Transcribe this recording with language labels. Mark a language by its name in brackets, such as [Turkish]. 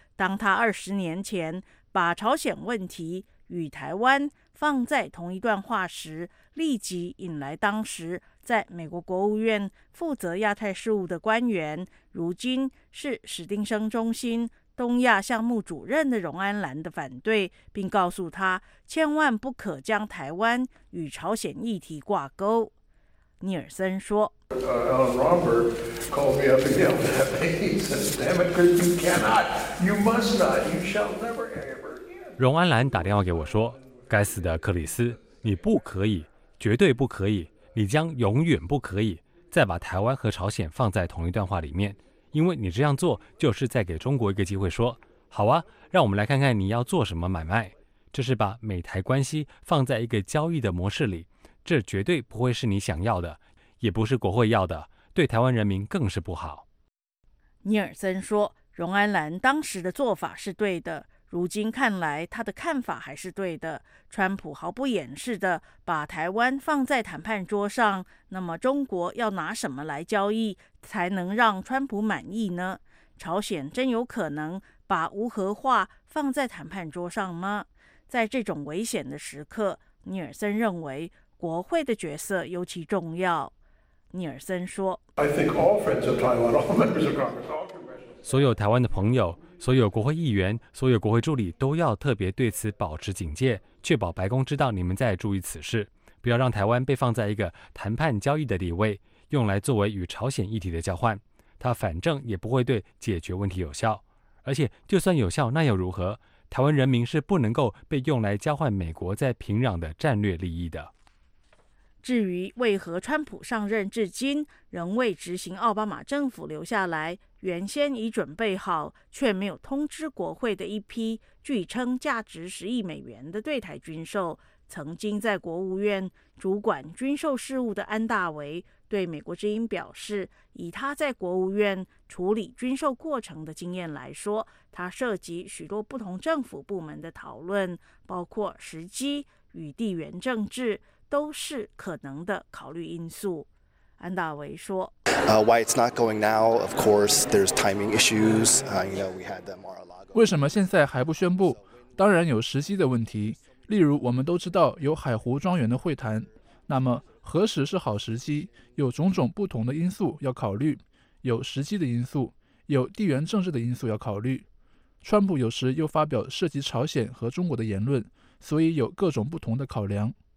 [Chinese] 当他20年前把朝鲜问题与台湾放在同一段话时，立即引来当时在美国国务院负责亚太事务的官员，如今是史丁生中心东亚项目主任的荣安兰的反对，并告诉他千万不可将台湾与朝鲜议题挂钩。尼尔森说 [English] Alan Romberg called me up again with that meeting. He said, damn it, you cannot, you must not, you shall never ever. [Chinese] 荣安兰打电话给我说，该死的克里斯，你不可以，绝对不可以，你将永远不可以再把台湾和朝鲜放在同一段话里面，因为你这样做就是在给中国一个机会说，好啊，让我们来看看你要做什么买卖。这是把美台关系放在一个交易的模式里，这绝对不会是你想要的，也不是国会要的，对台湾人民更是不好。尼尔森说，荣安兰当时的做法是对的，如今看来他的看法还是对的，川普毫不掩饰地把台湾放在谈判桌上，那么中国要拿什么来交易才能让川普满意呢？朝鲜真有可能把无核化放在谈判桌上吗？在这种危险的时刻，尼尔森认为国会的角色尤其重要。尼尔森说， [English] I think all friends of Taiwan, all members of Congress, all congressional, [Chinese] 所有台湾的朋友，所有国会议员，所有国会助理都要特别对此保持警戒，确保白宫知道你们在注意此事，不要让台湾被放在一个谈判交易的地位，用来作为与朝鲜议题的交换，它反正也不会对解决问题有效，而且就算有效那又如何，台湾人民是不能够被用来交换美国在平壤的战略利益的。至于为何川普上任至今仍未执行奥巴马政府留下来原先已准备好却没有通知国会的一批据称价值10亿美元的对台军售，曾经在国务院主管军售事务的安大维对美国之音表示，以他在国务院处理军售过程的经验来说，他涉及许多不同政府部门的讨论，包括时机与地缘政治都是可能的考虑因素。安大维说， [English] Why it's not going now, of course, there's timing issues. We had the Mar-a-Lago. [Chinese] 为什么现在还不宣布？当然有时机的问题。例如我们都知道有海湖庄园的会谈，那么何时是好时机？有种种不同的因素要考虑，有时机的因素，有地缘政治的因素要考虑。川普有时又发表涉及朝鲜和中国的言论，所以有各种不同的考量。